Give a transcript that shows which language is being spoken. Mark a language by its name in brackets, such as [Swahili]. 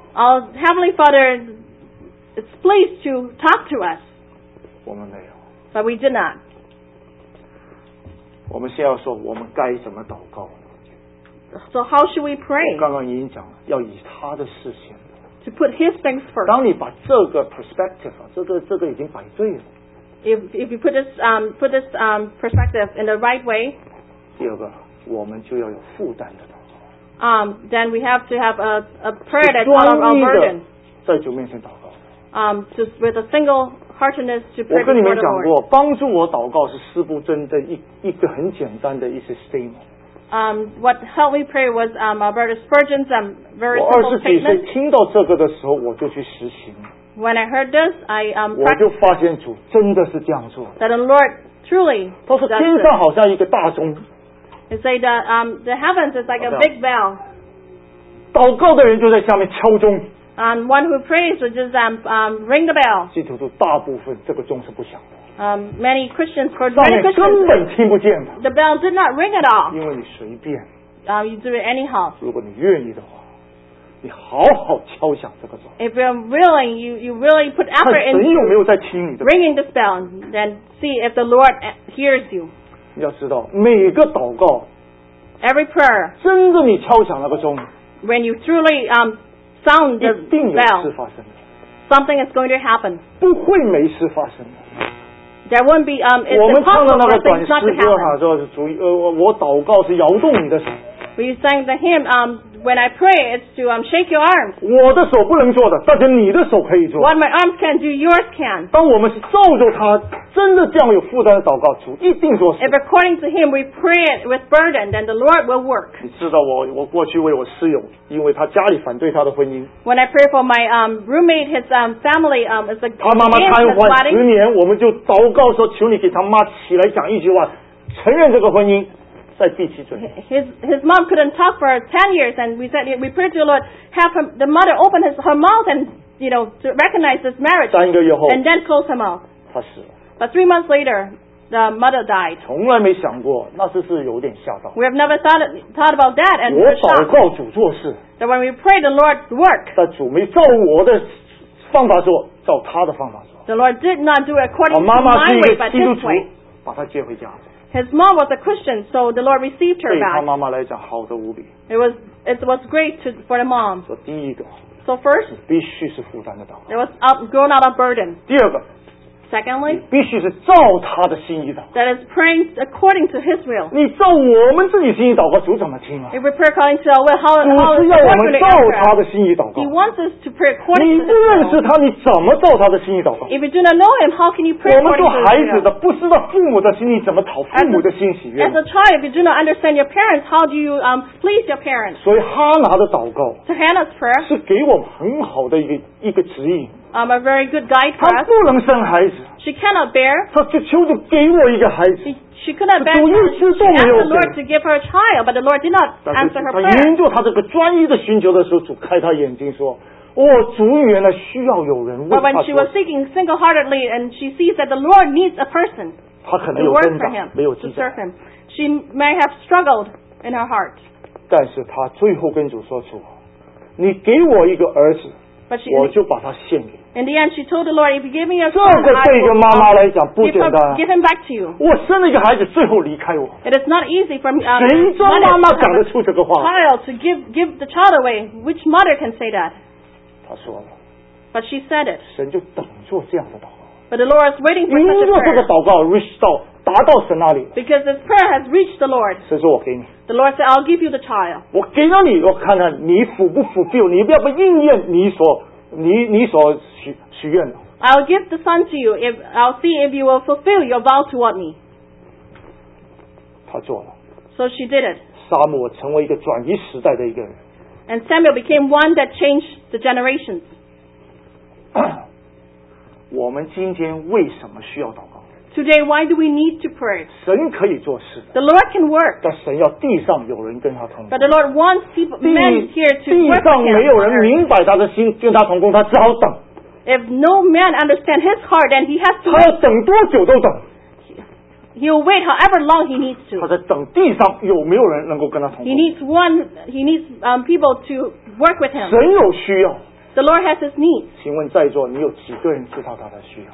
[English] Our Heavenly Father is pleased to talk to us. [Chinese] 我们没有, [English] but we did not. [Chinese] 我们先要说, 我们该怎么祷告, [English] so how should we pray? [Chinese] 我刚刚已经讲了, 要以他的事先, [English] to put his things first. [Chinese] 当你把这个 perspective, 这个已经摆对了, [English] if you put this perspective in the right way, [Chinese] 第二个, 我们就要有负担的祷告, [English] then we have to have a prayer that's out of our burden. [Chinese] 在主面前祷告。 [English] Just with a single heartedness to pray. [Chinese] 我跟你们讲过，帮助我祷告是四不真的一个很简单的一些 statement。 [English] What helped me pray was Alberta Spurgeon's very simple statement. [Chinese] 我二十几岁听到这个的时候，我就去实行。 [English] When I heard this, [Chinese] I 我就发现主真的是这样做。 [English] That the Lord truly. [Chinese] 他说天上好像一个大钟。 [English] He said the heavens is like a big bell. [Chinese] 祷告的人就在下面敲钟。 [English] And one who prays would just ring the bell. [Chinese] 基督徒大部分这个钟是不响的。 [English] Many Christians for many Christians. [Chinese] 上面根本听不见的。 [English] The bell did not ring at all. [Chinese] 因为你随便。 [English] You do it anyhow. [Chinese] 如果你愿意的话。你好好敲响这个钟。 [English] If you're willing, you really put effort in. [Chinese] 神有没有在听你的 [English] ？Ringing this bell, then see if the Lord hears you. [Chinese] 你要知道，每个祷告 [English] ，every prayer， [Chinese] 真的你敲响那个钟 [English] ，when you truly sound the bell， [Chinese] 一定有事发生。 [English] Something is going to happen. [Chinese] 不会没事发生。 [English] There won't be it's impossible for things not to happen. [Chinese] 我们唱的那个短诗歌哈，说主，我祷告是摇动你的手。 [English] We sang the hymn, when I pray, it's to shake your arms. [Chinese] 我的手不能做的，但是你的手可以做。 [English] What my arms can do, yours can. [Chinese] 当我们是照着他真的这样有负担的祷告，主一定做事。 [English] If according to him we pray it with burden, then the Lord will work. [Chinese] 你知道我过去为我室友，因为他家里反对他的婚姻。 [English] When I pray for my roommate, his family is against his wedding. [Chinese] 他妈妈瘫痪十年，我们就祷告说，求你给他妈起来讲一句话，承认这个婚姻。 [English] His mom couldn't talk for 10 years, and we said we prayed to the Lord, have him, the mother open her mouth and you know to recognize this marriage. [Chinese] 3个月后, [English] and then close her mouth. [Chinese] 他死了。 [English] But 3 months later, the mother died. [Chinese] 从来没想过，那是有点吓到。 [English] We have never thought about that and we're shocked. [Chinese] 我祷告主做事。 [English] That when we pray, the Lord work. [Chinese] 但主没照我的方法做，照他的方法做。 [English] The Lord did not do according to my way, but this way. [Chinese] 我妈妈是一个基督徒，把她接回家。 [English] His mom was a Christian, so the Lord received her back. [Chinese] 对他妈妈来讲，好的无比。 [English] It was great for the mom. [Chinese] 说第一个。 [English] So first. [Chinese] 必须是负担的祷告。 [English] It was grown out of burden. [Chinese] 第二个。 [English] Secondly. [Chinese] 必须是照他的心意的。 [English] That is praying according to His will. [Chinese] 你照我们自己心意祷告，主怎么听啊 [English] ？If we pray according to our will, how is the Lord going [Chinese] 主是要我们照他的心意祷告。 [English] He wants us to pray according to His will. [Chinese] 你不认识他，你怎么照他的心意祷告 [English] ？If you do not know Him, how can you pray according to His will? [Chinese] 我们做孩子的，不知道父母的心意，怎么讨父母的心喜悦 [English] ？As a child, if you do not understand your parents, how do you please your parents? [Chinese] 所以哈拿的祷告 [English] ，To Hannah's prayer, [Chinese] 是给我们很好的一个指引。 [English] I'm a very good guide for us. [Chinese] 她不能生孩子。 [English] She cannot bear. [Chinese] 她就求主给我一个孩子。 [English] She could not bear. [Chinese] 主一直都没有。 [English] She asked the Lord to give her a child, but the Lord did not answer her prayer. [Chinese] 但是她凭着她这个专一的寻求的时候，主开她眼睛说：“哦，主原来需要有人为她。” [English] But when she was seeking single-heartedly, and she sees that the Lord needs a person, [Chinese] 她可能有挣扎，没有记载。 [English] To serve him, she may have struggled in her heart. [Chinese] 但是她最后跟主说：“主，你给我一个儿子，我就把他献给。” [English] In the end, she told the Lord, "If you give me a son, [Chinese] 这个对一个妈妈来讲不简单。 [English] Give him back to you. [Chinese] 我生了一个孩子，最后离开我。 [English] It is not easy for me. [Chinese] 谁做妈妈讲得出这个话 [English] ？Child to give the child away. Which mother can say that? [Chinese] 她说了。 [English] But she said it. [Chinese] 神就等做这样的祷告。 [English] But the Lord is waiting for such a prayer. [Chinese] 因着这个祷告 ，reach 到达到神那里。 [English] Because this prayer has reached the Lord. [Chinese] 神说我给你。 [English] The Lord said, "I'll give you the child." [Chinese] 我给了你，我看看你符不符合，你要不要应验你所许愿的。 [English] I'll give the son to you. I'll see if you will fulfill your vow toward me. [Chinese] 他做了。 [English] So she did it. [Chinese] 撒母耳成为一个转移时代的一个人。 [English] And Samuel became one that changed the generations. [Chinese] 我们今天为什么需要祷告 [English] ？Today, why do we need to pray? [Chinese] 神可以做事。 [English] The Lord can work. [Chinese] 但神要地上有人跟他同工。 [English] But the Lord wants men here to work. [Chinese] 地上没有人明白他的心跟他同工，他只好等。 [English] If no man understands his heart, then he has to. [Chinese] 他要等多久都等。 [English] He'll wait however long he needs to. [Chinese] 他在等地上有没有人能够跟他同工。 [English] He needs people to work with him. [Chinese] 神有需要。 [English] The Lord has His needs. [Chinese] 请问在座你有几个人知道他的需要